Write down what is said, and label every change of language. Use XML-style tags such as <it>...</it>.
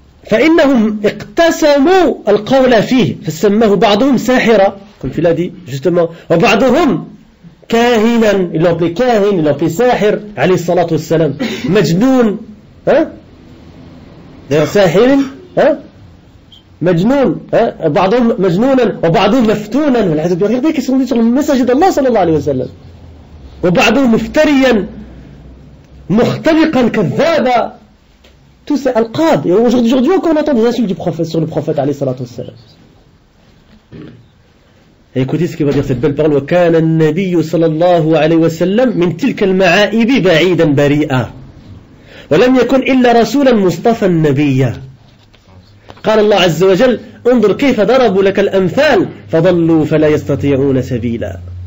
<ar>فإنهم اقتسموا القول فيه فسموه بعضهم ساحرا كما في الذي justement وبعضهم كاهنا</ar> <fr>ils l'ont appelé</fr> <ar>كاهن ils l'ont appelé ساحر عليه الصلاة والسلام مجنون هه ساحر مجنون بعضهم مجنونا وبعضهم مفتونا والعياذ بالله</ar> <fr>regardez qu'ils sont dit sur le message d'Allah</fr> <ar>صلى الله عليه وسلم وبعضهم مفتريا مختلقا كذابا.</ar> <fr>Tout c'est Al-Qad. Et aujourd'hui encore on entend des insultes du prophète sur le prophète alayhi salatu wa sallam. Et écoutez ce qu'il va dire cette belle parole.</fr> <ar>وَكَانَ النَّبِيُّ صَلَى اللَّهُ عَلَيْهِ وَسَلَّمْ مِنْ تِلْكَ الْمَعَائِبِ بَعِيدًا بَرِيئًا وَلَمْ يَكُنْ إِلَّا رَسُولًا مُصْطَفَى النَّبِيَّ قال الله عز وجل انظر كيف ضربوا لك الأمثال فضلوا فلا يستطيعون سبيلا.</ar>